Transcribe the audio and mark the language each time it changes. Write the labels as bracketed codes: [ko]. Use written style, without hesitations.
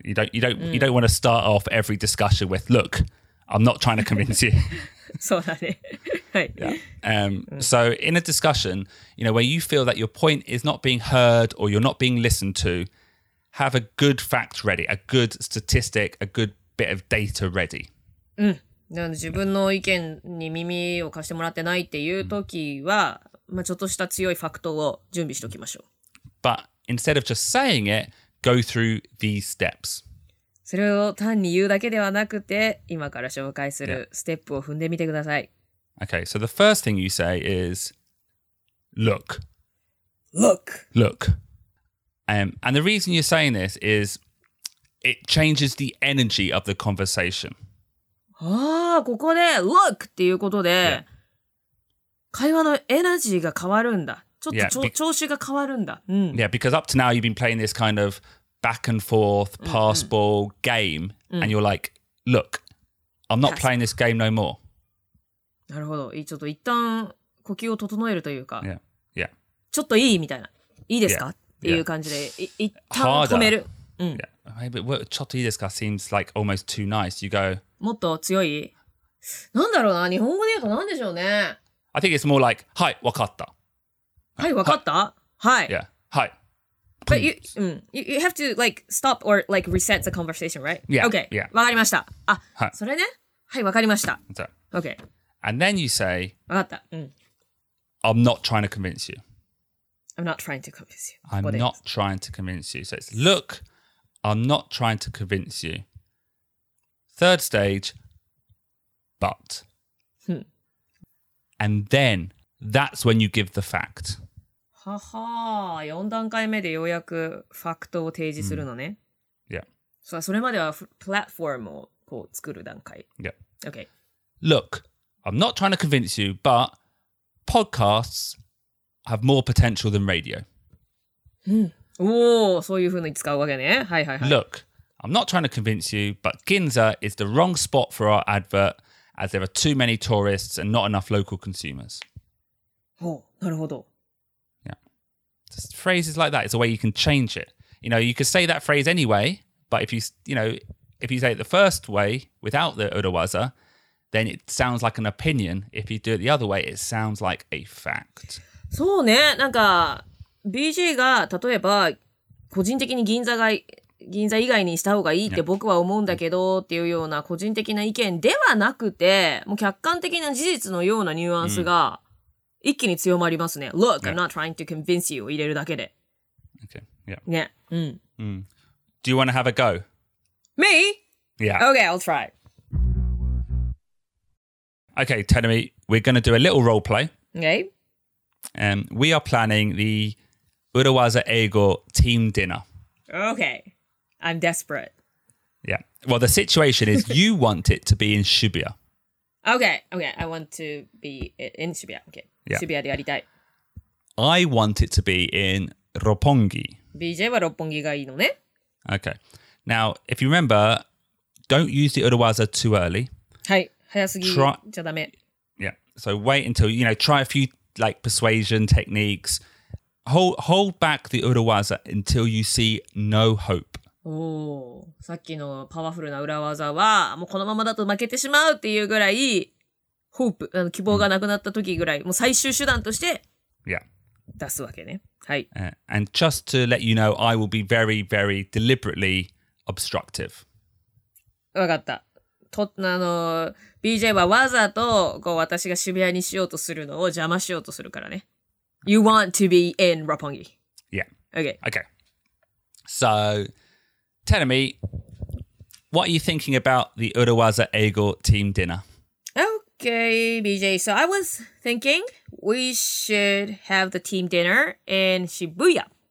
[en] Yeah, you don't want to start off every discussion with, look, I'm not trying to convince you. [ja] そうだね。はい。 [en] So in a discussion, you know, where you feel that your point is not being heard or you're not being listened to, have a good fact ready, a good statistic, a good bit of data ready. [ja] うん。自分の意見に耳を貸してもらってないっていう時は、まあ、ちょっとした強いファクトを準備しておきましょう。 [en] But instead of just saying it, go through these steps. [ja] それを単に言うだけではなくて、今から紹介するステップを踏んでみてください。 [en] Yeah. Okay, so the first thing you say is, look. Look. Look. And the reason you're saying this is, it changes the energy of the conversation. [ja] ああ、ここで look っていうことで、yeah. 会話のエナジーが変わるんだ。ちょっと調子が変わるんだ。うん、 [en] yeah, because up to now you've been playing this kind of back and forth, pass ball game, and you're like, look, I'm not playing this game no more. [ja] なるほど。ちょっと一旦呼吸を整えるというか、 [en] yeah. Yeah. [ja] ちょっといいみたいな。いいですか、yeah. っていう感じで、一旦止める。 [en] うん、yeah. Maybe, [ja] ちょっといいですか [en] seems like almost too nice. You go, [ja] もっと強い？なんだろうな、日本語で言うとなんでしょうね。 [en] I think it's more like, [ja] はい、わかった。はい、わかった？はい。 Yeah, はい。 [en] But you, you have to like stop or like reset the conversation, right? Yeah. Okay. Yeah. [ja] わかりました。あ、はい、それね。はい、わかりました。 [en] So, okay. And then you say, [ja] わかった。うん。 [en] I'm not trying to convince you. I'm not trying to convince you. I'm not trying to convince you. So it's, look, I'm not trying to convince you. Third stage, but. And then that's when you give the fact. [ja] はは、四段階目でようやくファクトを提示するのね。 [en] Yeah. [ja] それまではプラットフォームをこう作る段階。 [en] Yeah. Okay. Look, I'm not trying to convince you, but podcasts have more potential than radio. [ja] おお、そういうふうに使うわけね。はいはいはい。 [en] Look, I'm not trying to convince you, but Ginza is the wrong spot for our advert, as there are too many tourists and not enough local consumers. [ja] おお、なるほど。 [en] Just phrases like that, it's a way you can change it. You know, you could say that phrase anyway, but if you, you know, if you say it the first way without the urawaza, then it sounds like an opinion. If you do it the other way, it sounds like a fact. [ja] そうね、なんか BJ が例えば個人的に銀座以外にした方がいいって僕は思うんだけどっていうような個人的な意見ではなくて、もう客観的な事実のようなニュアンスが、うん一気に強まりますね。 [en] Look,、yeah. I'm not trying to convince you [ja] を入れるだけで。 [en] Okay, yeah. Yeah, mm. Mm. Do you want to have a go? Me? Yeah. Okay, I'll try. Okay, Tenomi, we're going to do a little role play. Okay. We are planning the Urawaza Eigo team dinner. Okay, I'm desperate. Yeah, well, the situation is you want it to be in Shibuya. Okay, I want to be in Shibuya, okay. Yeah. [ja] Shibuya でやりたい。 [en] I want it to be in Roppongi. [ja] BJ は六本木がいいのね。 [en] Okay. Now, if you remember, don't use the urawaza too early. [ja] はい。早すぎじゃダメ。 [en] Yeah. So wait until, you know, try a few like persuasion techniques. Hold back the urawaza until you see no hope. おお。 [ja] さっきのパワフルな urawaza は、もうこのままだと負けてしまうっていうぐらい、ホープ、あの希望がなくなった時ぐらい、もう最終手段として出すわけね。はい。 [en] And just to let you know, I will be very, very deliberately obstructive. [ja] わかった。 BJ はわざとこう私が渋谷にしようとするのを邪魔しようとするからね。 [en] You want to be in Roppongi. Yeah. Okay. Okay. So, tell me, what are you thinking about the Urawaza Eigo team dinner? Okay, BJ. So I was thinking we should have the team dinner in Shibuya.